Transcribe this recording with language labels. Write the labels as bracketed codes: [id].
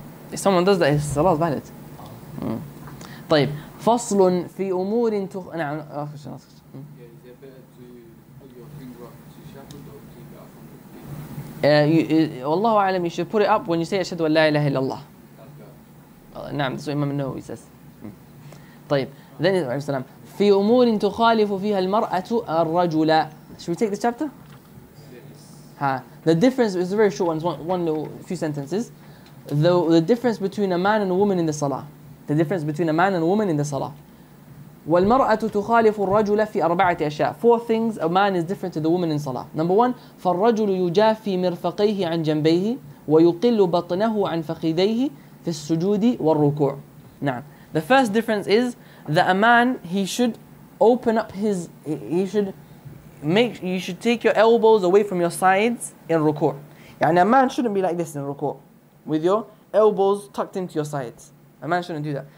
[en] If someone does that, his salah is valid. [ar] طيب, فصل في أمور تخ... نعم, آخر شيء, آخر شيء. [en] Yeah, is it better to put your finger up to shackle or keep it up from the feet? [ar] والله أعلم, [en] you should put it up when you say [ar] أشهد أن لا إله إلا الله. نعم, [en] that's what Imam Nawawi says. [ar] طيب, [en] then, [ar] عليه السلام, في أمور تخالف فيها المرأة الرجل. [en] Should we take this chapter? The difference is a very short few sentences. The difference between a man and a woman in the salah. The difference between a man and a woman in the salah. [ar] والمرأة تخالف الرجل في أربعة أشياء. [en] Four things a man is different to the woman in salah. Number one, [ar] فالرجل يجافي مرفقيه عن جنبيه ويقل بطنه عن فخذيه في السجود والركوع. نعم. [en] The first difference is that a man, he should open up his, he should make, you should take your elbows away from your sides in ruku'. [ar] يعني [en] a man shouldn't be like this in ruku', with your elbows tucked into your sides. A man shouldn't do that.